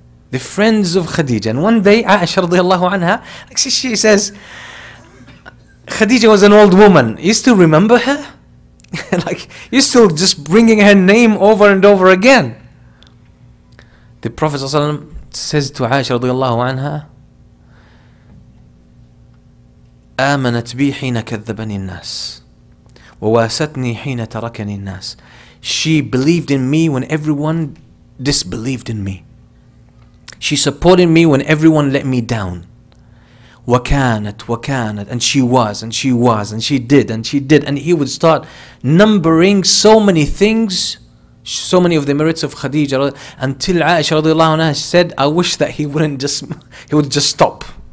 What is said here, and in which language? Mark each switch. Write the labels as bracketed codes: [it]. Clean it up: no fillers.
[en] The friends of Khadija. And one day, Aisha radiallahu anha, she says, Khadija was an old woman. You still remember her? Like, you're still just bringing her name over and over again. The Prophet ﷺ says to Aisha radiallahu anha, [ar] آمنت بي حين كذبني الناس وواستني حين تركني الناس. [en] She believed in me when everyone disbelieved in me. She supported me when everyone let me down. [ar] وكانت [en] and she was and she was and she did and she did. And he would start numbering so many things, so many of the merits of Khadija, until Aisha radiallahu anha said, I wish that he would just stop.